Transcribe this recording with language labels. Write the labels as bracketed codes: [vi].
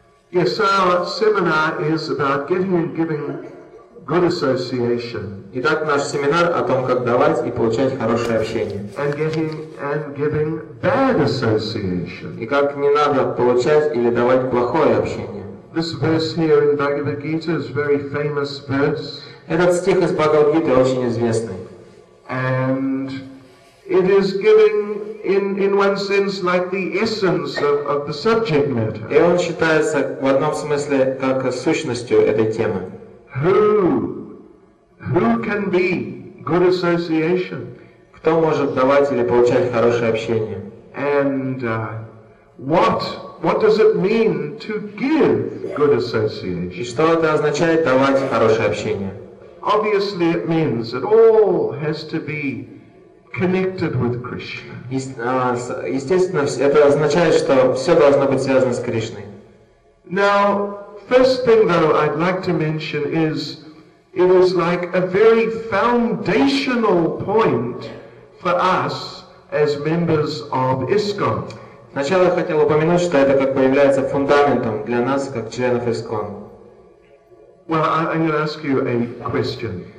[en] Yes, so our seminar is about getting and giving good association. [ru] Итак, наш семинар о том, как давать и получать хорошее общение. [en] And getting and giving bad association. [ru] И как не надо получать или давать плохое общение. [en] This verse here in Bhagavad Gita is very famous verse. [ru] Этот стих из Бхагавад Гиты очень известный. [en] And it is giving in one sense like the essence of the subject matter. [ru] И он считается в одном смысле как сущностью этой темы. [en] Who can be good association? [ru] Кто может давать или получать хорошее общение? [en] And what does it mean to give good association? [ru] И что это означает давать хорошее общение? [en] Obviously, it means it all has to be connected with Krishna. [ru] Естественно, это означает, что все должно быть связано с Кришной. [en] Now. First thing, though, I'd like to mention is it is like a very foundational point for us as members of ISKCON. [ru] Сначала я хотел упомянуть, что это как бы является фундаментом для нас как членов ISKCON. [en] Well, I'm going to ask you a question.